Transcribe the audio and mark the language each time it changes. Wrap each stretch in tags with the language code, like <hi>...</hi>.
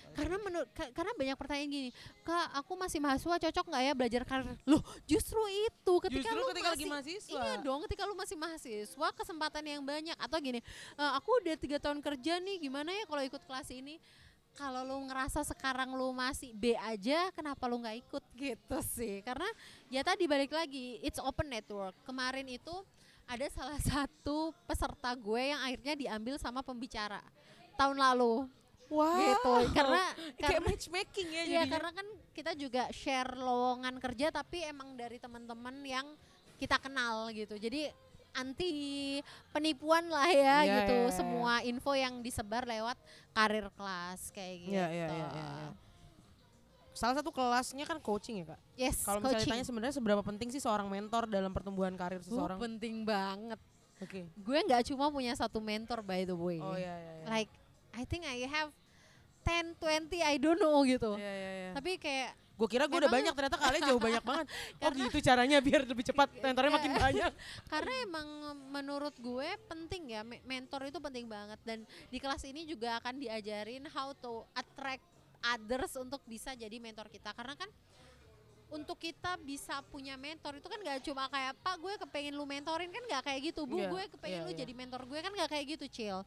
<id>Karena karena banyak pertanyaan gini, kak aku masih mahasiswa cocok nggak ya belajar karir? Loh justru itu ketika lu masih mahasiswa. Iya dong, ketika lu masih mahasiswa kesempatan yang banyak. Atau gini, aku udah 3 tahun kerja nih, gimana ya kalau ikut kelas ini? Kalau lu ngerasa sekarang lu masih B aja, kenapa lu nggak ikut gitu sih? Karena ya tadi balik lagi,</id> <en>it's open network.</en> <id>Kemarin itu ada salah satu peserta gue yang akhirnya diambil sama pembicara tahun lalu. Wow. Gitu. Karena kayak matchmaking ya. Iya, karena kan kita juga share lowongan kerja tapi emang dari teman-teman yang kita kenal gitu. Jadi anti penipuan lah ya gitu. Yeah. Semua info yang disebar lewat career class kayak gitu. Salah satu kelasnya kan coaching ya, Kak?</id> <en>Yes,</en> <id>kalau misalnya ditanya sebenarnya seberapa penting sih seorang mentor dalam pertumbuhan karir seseorang? Penting banget. Oke. Okay. Gue enggak cuma punya satu mentor</id> <en>by the way.</en> <id>Oh iya iya.</id> <en>Like I think I have 10 20 I don't know gitu.</en> <id>Iya. Tapi kayak gue kira gue udah banyak, ternyata kalian jauh banyak banget. Oh gitu caranya biar lebih cepat mentornya makin banyak. Karena emang menurut gue penting ya, mentor itu penting banget, dan di kelas ini juga akan diajarin</id> <en>how to attract others</en> <id>untuk bisa jadi mentor kita. Karena kan untuk kita bisa punya mentor itu kan gak cuma kayak, Pak gue kepengen lu mentorin, kan gak kayak gitu. Bu gue kepengen lu jadi mentor gue, kan gak kayak gitu, Cil.</id>